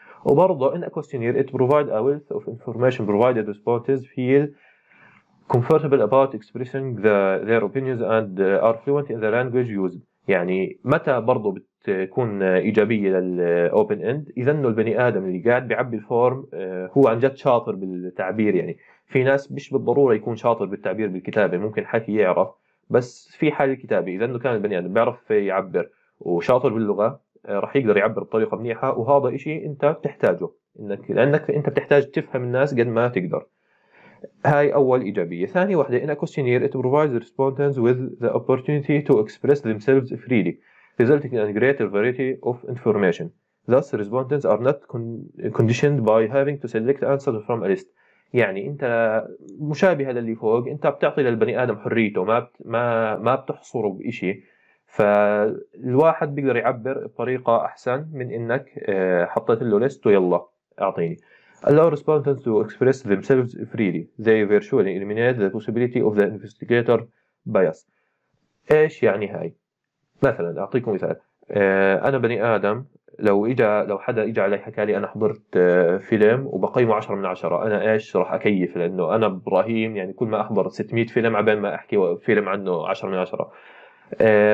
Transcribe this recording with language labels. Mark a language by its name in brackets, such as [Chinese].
[English] وبرضه in a questionnaire it provide a wealth of information provided responses feel comfortable about expressing their opinions and are fluent in the language used. [Arabic] يعني متى برضه تكون إيجابية للأوبن إند؟ إذا إنه البني آدم اللي قاعد بيعبي الفورم هو عن جد شاطر بالتعبير. يعني في ناس مش بالضرورة يكون شاطر بالتعبير بالكتابة، ممكن حكي يعرف، بس في حال الكتابة إذا إنه كان البني آدم بيعرف يعبر وشاطر باللغة رح يقدر يعبر بطريقة منيحة، وهذا إشي أنت بتحتاجه، إنك لأنك أنت بتحتاج تفهم الناس قد ما تقدر. هاي أول إيجابية. ثاني واحدة: [English] in a questionnaire it provides respondents with the opportunity to express themselves freely, resulting in a greater variety of information. Thus, respondents are not conditioned by having to select answers from a list. [Arabic] يعني أنت مشابهة للي فوق، أنت بتعطي للبني آدم حريته، ما بتحصره بإشي، فالواحد بيقدر يعبر بطريقة أحسن من إنك حطيت له ليست ويلا أعطيني. [English] Allow respondents to express themselves freely. They virtually eliminate the possibility of the investigator bias. [Arabic] إيش يعني هاي؟ مثلا اعطيكم مثال، انا بني ادم لو حدا اجى علي حكى لي انا حضرت فيلم وبقيمه 10 من 10، انا ايش راح اكيف؟ لانه انا ابراهيم يعني كل ما احضر 600 فيلم عبين ما احكي فيلم عنه 10 من 10.